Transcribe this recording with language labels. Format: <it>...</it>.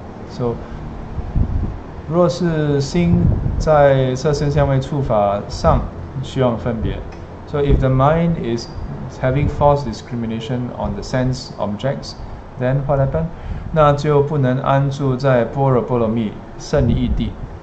<zh>So, 若是心在色声香味触法上需要分别。</zh> <en>So, if the mind is having false discrimination on the sense objects, then what happened?</en> <zh>那就不能安住在般若波罗蜜圣义地。</zh>